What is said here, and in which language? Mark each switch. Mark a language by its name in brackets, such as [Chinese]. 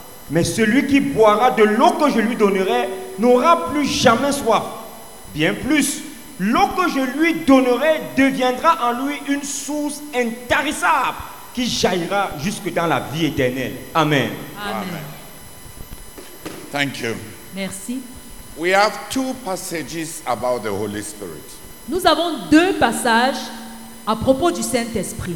[French] Mais celui qui boira de l'eau que je lui donnerai n'aura plus jamais soif. Bien plus, l'eau que je lui donnerai deviendra en lui une source intarissable qui jaillira jusque dans la vie éternelle. Amen. Amen. Amen. [English] Thank you. [French] Merci. [English] We have two passages about the Holy Spirit. [French] Nous avons deux passages à propos du Saint-Esprit.